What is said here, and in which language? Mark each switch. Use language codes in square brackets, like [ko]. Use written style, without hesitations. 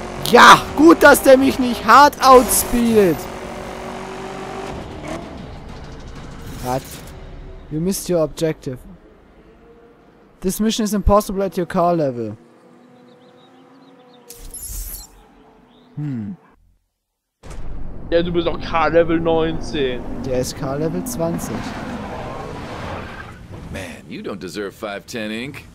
[de] Ja, gut, dass der mich nicht hart outspielt. Hat. [en] You missed your objective. This mission is impossible at your car level. [de] Ja, du bist auch Car Level 19. Der ist Car Level 20. [en] Man, you don't deserve 510 ink.